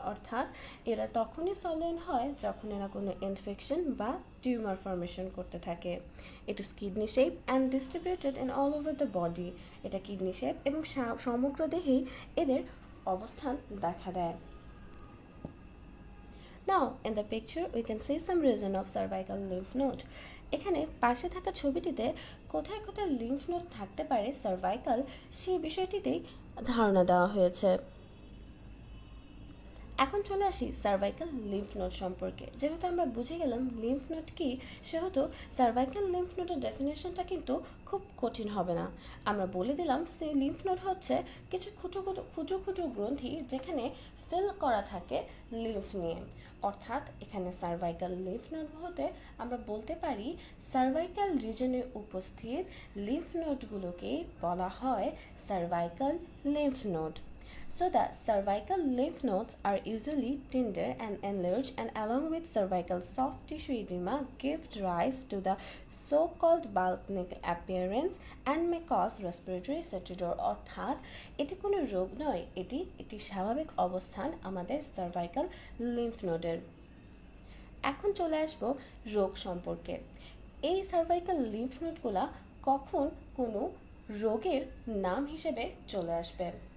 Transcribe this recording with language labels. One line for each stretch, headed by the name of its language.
Bangla: অর্থাৎ এরা তখনই সলোয়েন হয় যখন এরা কোনো ইনফেকশন বা টিউমার ফর্মেশন করতে থাকে।
English: It is kidney shape and distributed in all over the body.
Bangla: এটা কিডনি শেপ এবং সমগ্র দেহেই এদের অবস্থান দেখা দেয়।
English: Now, in the picture, we can see some region of cervical lymph node.
Bangla: এখানে পাশে থাকা ছবিটিতে কোথায় কোথায় লিম্ফ নোড থাকতে পারে সার্ভাইকাল সেই বিষয়টিতেই ধারণা দেওয়া হয়েছে। এখন চলে আসি সার্ভাইকাল লিম্ফ নোড সম্পর্কে। যেহেতু আমরা বুঝে গেলাম লিম্ফ নোড কী, সেহেতু সার্ভাইকাল লিম্ফ নোডের ডেফিনেশনটা কিন্তু খুব কঠিন হবে না। আমরা বলে দিলাম সেই লিম্ফ নোড হচ্ছে কিছু ক্ষুদ্র ক্ষুদ্র গ্রন্থি যেখানে ফিল করা থাকে লিম্ফ নিয়ে। অর্থাৎ এখানে সার্ভাইকাল লিম্ফ নোড হতে আমরা বলতে পারি সার্ভাইকাল রিজনে উপস্থিত লিম্ফ নোডগুলোকেই বলা হয় cervical lymph node.
English: So the cervical lymph nodes are usually tender and enlarged, and along with cervical soft tissue edema give rise to the so-called balanic appearance and may cause respiratory saturation.
Bangla: অর্থাৎ এটি কোনো রোগ নয়, এটি একটি স্বাভাবিক অবস্থান আমাদের সার্ভাইকাল লিম্ফ নোডের। এখন চলে আসবো রোগ সম্পর্কে। এই সার্ভাইকাল লিম্ফ নোডগুলা কখন কোনো রোগের নাম হিসেবে চলে আসবে?